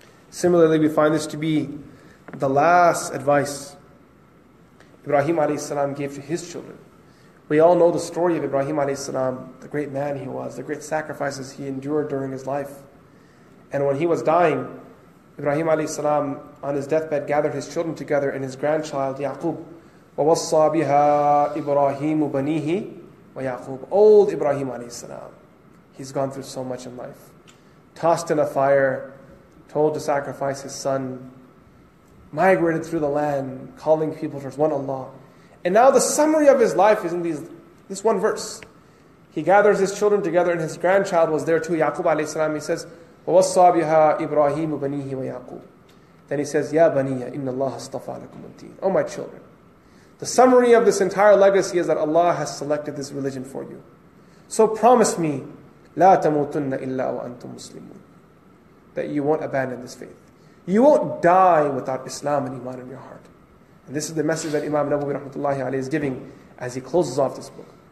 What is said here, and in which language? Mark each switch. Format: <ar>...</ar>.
<en>Similarly, we find this to be the last advice Ibrahim alayhi salam gave to his children. We all know the story of Ibrahim alayhi salam, the great man he was, the great sacrifices he endured during his life. And when he was dying, Ibrahim alayhi salam on his deathbed gathered his children together and his grandchild Yaqub.</en> <ar>وَوَصَّى بِهَا إِبْرَاهِيمُ بَنِيهِ وَيَعْقُوبُ</ar> <en>Old Ibrahim alayhi salam. He's gone through so much in life. Tossed in a fire, told to sacrifice his son, migrated through the land, calling people towards one Allah. And now the summary of his life is in this one verse. He gathers his children together and his grandchild was there too, Yaqub alayhi salam. He says,</en> <ar>وَوَصَّى بِهَا إِبْرَاهِيمُ بَنِيهِ وَيَعْقُوبُ</ar> <en>Then he says,</en> <ar>يَا بَنِيَّ إِنَّ اللَّهَ اصْطَفَى لَكُمُ الدِّينَ</ar> <en>Oh my children. The summary of this entire legacy is that Allah has selected this religion for you. So promise me,</en> <ar>لَا تَمُوتُنَّ إِلَّا وَأَنْتُمْ مُسْلِمُونَ</ar> <en>That you won't abandon this faith. You won't die without Islam and Iman in your heart. And this is the message that Imam Nawawi rahmatullahi alayhi is giving as he closes off this book.</en>